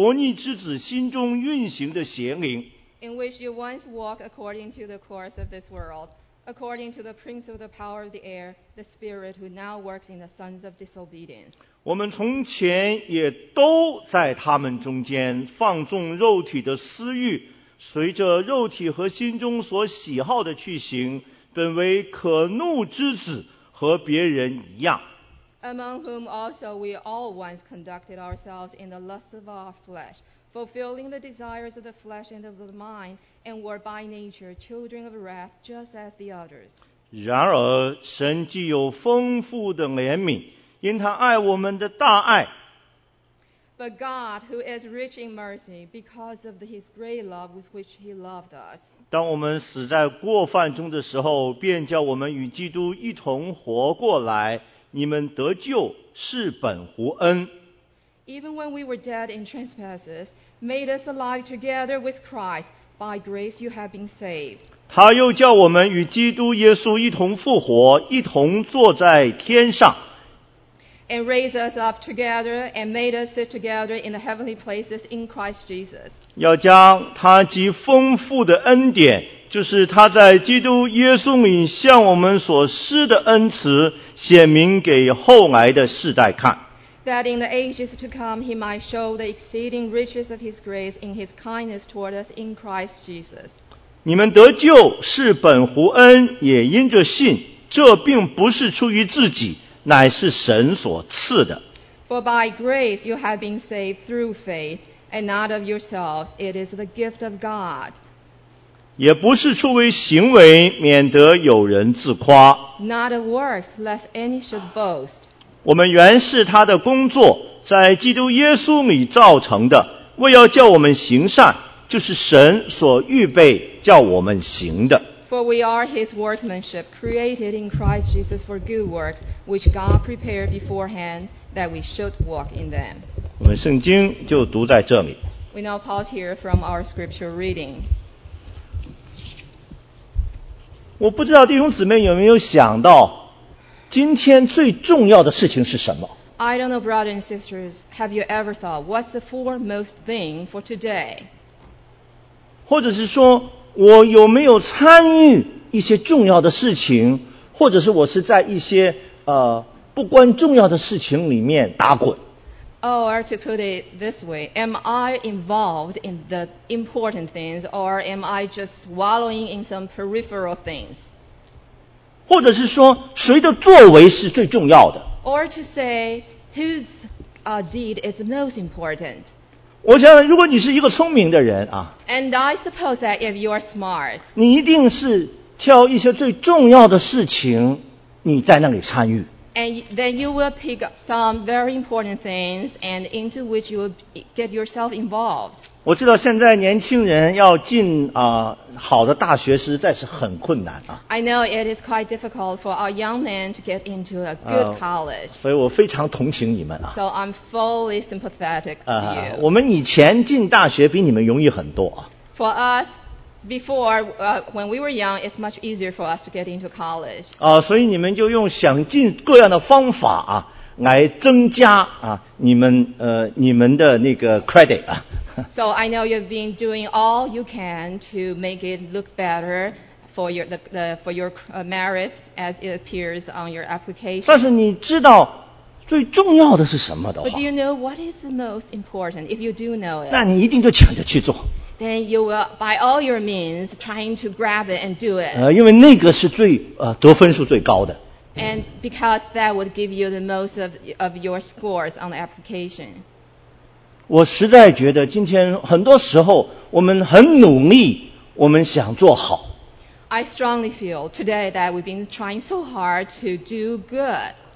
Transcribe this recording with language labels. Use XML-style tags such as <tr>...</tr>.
<zh>那时你们在其中行事为人，随从今世的风俗，顺从空中掌权者的首领，就是现今在伯尼之子心中运行的邪灵。</zh> <en>In which you once walked according to the course of this world, according to the prince of the power of the air, the spirit who now works in the sons of disobedience.</en> <zh>我们从前也都在他们中间，放纵肉体的私欲，随着肉体和心中所喜好的去行，本为可怒之子，和别人一样。</zh> <en>Among whom also we all once conducted ourselves in the lusts of our flesh, fulfilling the desires of the flesh and of the mind, and were by nature children of wrath, just as the others.</en> <zh>然而神既有丰富的怜悯，因他爱我们的大爱。</zh> <en>But God, who is rich in mercy, because of his great love with which he loved us.</en> <zh>当我们死在过犯中的时候，便叫我们与基督一同活过来。你们得救是本乎恩。</zh> <en>Even when we were dead in trespasses, made us alive together with Christ. By grace you have been saved.</en> <zh>他又叫我们与基督耶稣一同复活，一同坐在天上。</zh> <en>And raised us up together and made us sit together in the heavenly places in Christ Jesus.</en> <zh>要将他极丰富的恩典，就是他在基督耶稣里向我们所施的恩慈，显明给后来的世代看。</zh> <en>That in the ages to come he might show the exceeding riches of his grace in his kindness toward us in Christ Jesus.</en> <zh>你们得救是本乎恩，也因着信，这并不是出于自己，乃是神所赐的。</zh> <en>For by grace you have been saved through faith, and not of yourselves, it is the gift of God.</en> <zh>也不是出于行为，免得有人自夸。</zh> <en>Not of works, lest any should boast.</en> <zh>我们原是他的工作，在基督耶稣里造成的，为要叫我们行善，就是神所预备叫我们行的。</zh> <en>For we are his workmanship, created in Christ Jesus for good works, which God prepared beforehand that we should walk in them.</en> <zh>我们圣经就读在这里。</zh> <en>We now pause here from our scripture reading.</en> <zh>我不知道弟兄姊妹有没有想到，今天最重要的事情是什么？</zh> <en>I don't know, brothers and sisters, have you ever thought, what's the foremost thing for today?</en> <zh>或者是说我有没有参与一些重要的事情，或者是我是在一些不关重要的事情里面打滚。</zh> <en>Or to put it this way, am I involved in the important things, or am I just wallowing in some peripheral things?</en> <zh>或者是说谁的作为是最重要的。</zh> <en>Or to say, whose deed is the most important?</en> <zh>我想如果你是一个聪明的人啊，</zh> <en>And I suppose that if you are smart,</en> <zh>你一定是挑一些最重要的事情你在那里参与。</zh> <en>And then you will pick up some very important things and into which you will get yourself involved.</en> <zh>我知道现在年轻人要进好的大学实在是很困难啊。</zh> <en>I know it is quite difficult for our young men to get into a good college.</en> <zh>所以我非常同情你们啊。</zh> <en>So I'm fully sympathetic to you.</en> <zh>我们以前进大学比你们容易很多啊。</zh> <en>For us,Before, when we were young, it's much easier for us to get into college.</en> <zh>所以你们就用想尽各样的方法啊，来增加啊，你们的那个 credit 啊。</zh> <en>So I know you've been doing all you can to make it look better for your merits as it appears on your application.</en> <zh>但是你知道最重要的是什么的话</zh> <en>？But do you know what is the most important? If you do know it,</en> <zh>那你一定就抢着去做。</zh> <en>Then you will, by all your means, trying to grab it and do it.</en> <zh>因为那个是最得分数最高的。</zh> <en>And because that would give you the most of your scores on the application.</en> <zh>我实在觉得今天很多时候我们很努力，我们想做好。</zh> <en>I strongly feel today that we've been trying so hard to do good.</en>